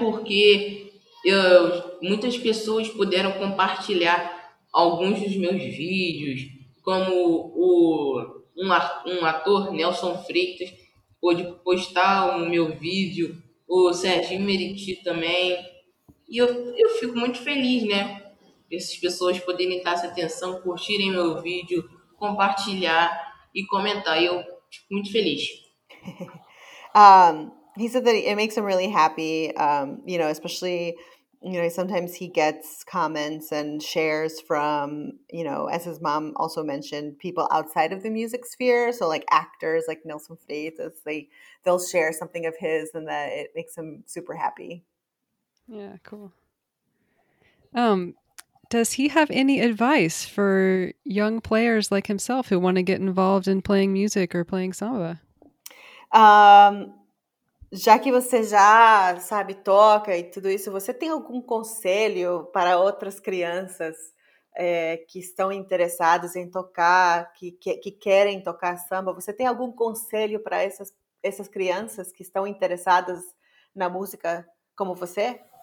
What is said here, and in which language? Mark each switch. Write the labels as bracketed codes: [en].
[pt] Porque muitas pessoas puderam compartilhar alguns dos meus vídeos, como um ator, Nelson Freitas, pôde postar o meu vídeo, o Serginho Meriti também. E eu fico muito feliz, né? Essas pessoas poderem dar essa atenção, curtirem meu vídeo, compartilhar e comentar. Eu fico muito feliz. [en] He said that it makes him really happy, you know, especially... You know, sometimes he gets comments and shares from, you know, as his mom also mentioned, people outside of the music sphere. So like actors like Nelson Freitas, they'll share something of his and that it makes him super happy. Yeah, cool. Does he have any advice for young players like himself who want to get involved in playing music or playing samba? [pt] Já que você já sabe, toca e tudo isso, você tem algum conselho para outras crianças que estão interessadas em tocar, que querem tocar samba? Você tem algum conselho para essas crianças que estão interessadas na música como você?